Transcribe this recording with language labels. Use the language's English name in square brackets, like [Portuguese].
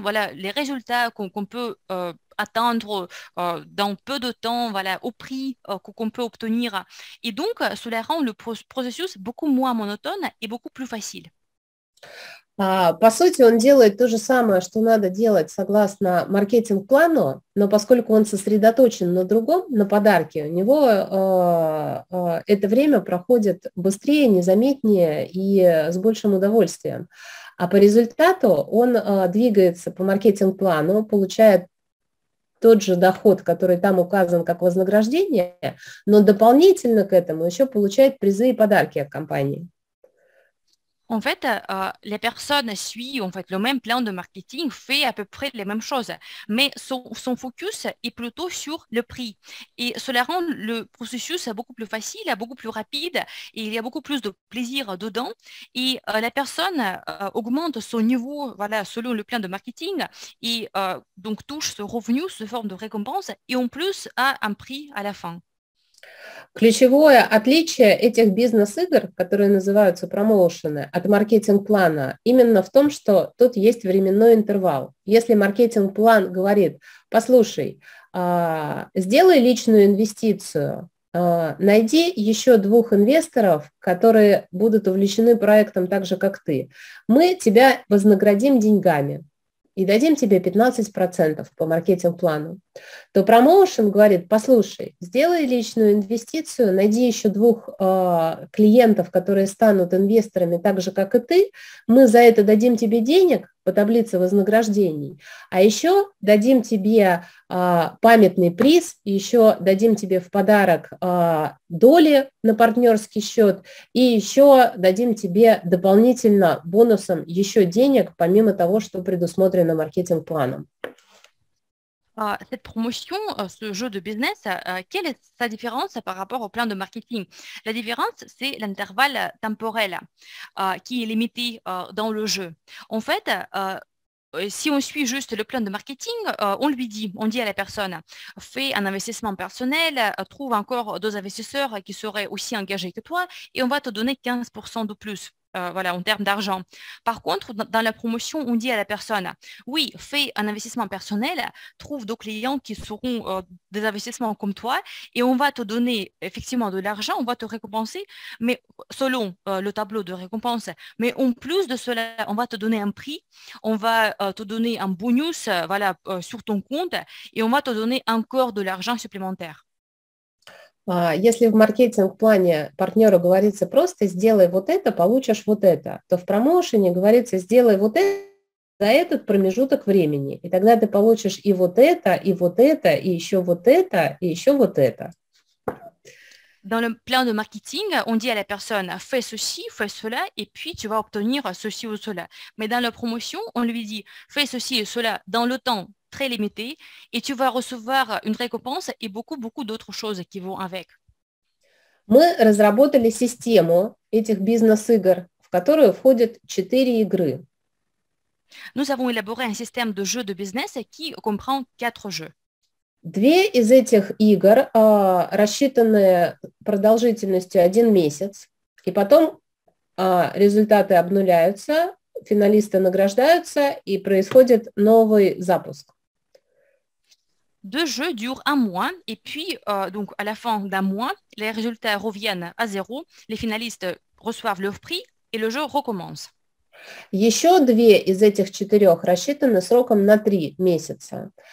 [French] Voilà, les résultats qu'on peut attendre dans peu de temps, voilà, au prix qu'on peut obtenir. Et donc, cela rend le processus beaucoup moins monotone et beaucoup plus facile. [Russian] По сути, он делает то же самое, что надо делать согласно маркетинг-плану, но поскольку он сосредоточен на другом, на подарке, у него это время проходит быстрее, незаметнее и с большим удовольствием. А по результату он двигается по маркетинг-плану, получает тот же доход, который там указан как вознаграждение, но дополнительно к этому еще получает призы и подарки от компании. [French] En fait, la personne suit en fait, le même plan de marketing, fait à peu près les mêmes choses, mais son focus est plutôt sur le prix. Et cela rend le processus beaucoup plus facile, beaucoup plus rapide, et il y a beaucoup plus de plaisir dedans. Et la personne augmente son niveau voilà, selon le plan de marketing, et donc touche ce revenu sous forme de récompense, et en plus a un prix à la fin. [Russian] Ключевое отличие этих бизнес-игр, которые называются промоушены, от маркетинг-плана, именно в том, что тут есть временной интервал. Если маркетинг-план говорит, послушай, сделай личную инвестицию, найди еще двух инвесторов, которые будут увлечены проектом так же, как ты, мы тебя вознаградим деньгами и дадим тебе 15% по маркетинг-плану, то промоушен говорит, послушай, сделай личную инвестицию, найди еще двух клиентов, которые станут инвесторами так же, как и ты, мы за это дадим тебе денег по таблице вознаграждений, а еще дадим тебе памятный приз, еще дадим тебе в подарок доли на партнерский счет, и еще дадим тебе дополнительно бонусом еще денег, помимо того, что предусмотрено маркетинг-планом. [French] Cette promotion, ce jeu de business, quelle est sa différence par rapport au plan de marketing? La différence, c'est l'intervalle temporel qui est limité dans le jeu. En fait, si on suit juste le plan de marketing, on dit à la personne, fais un investissement personnel, trouve encore deux investisseurs qui seraient aussi engagés que toi et on va te donner 15% de plus. Voilà, en termes d'argent. Par contre, dans la promotion, on dit à la personne, oui, fais un investissement personnel, trouve des clients qui seront des investissements comme toi, et on va te donner effectivement de l'argent, on va te récompenser, mais selon le tableau de récompense, mais en plus de cela, on va te donner un prix, on va te donner un bonus voilà, sur ton compte, et on va te donner encore de l'argent supplémentaire. [Russian] Если в маркетинг-плане партнеру говорится просто «сделай вот это, получишь вот это», то в промоушене говорится «сделай вот это за этот промежуток времени». И тогда ты получишь и вот это, и вот это, и еще вот это, и еще вот это. [French] Dans le plan de marketing, on dit à la personne « fais ceci, fais cela, et puis tu vas obtenir ceci ou cela ». Mais dans la promotion, on lui dit « fais ceci et cela dans le temps très limité, et tu vas recevoir une récompense et beaucoup, beaucoup d'autres choses qui vont avec ». [Russian] Мы разработали систему этих бизнес-игр, в которую входят 4 игры. [French] Nous avons élaboré un système de jeux de business qui comprend 4 jeux. [Russian] Две из этих игр рассчитаны продолжительностью 1 месяц, и потом результаты обнуляются, финалисты награждаются, и происходит новый запуск. [French] Deux jeux durent 1 mois, et puis donc à la fin d'un mois, les résultats reviennent à zéro, les finalistes reçoivent leur prix, et le jeu recommence. [Russian] Еще две из этих 4 рассчитаны сроком на 3 месяца.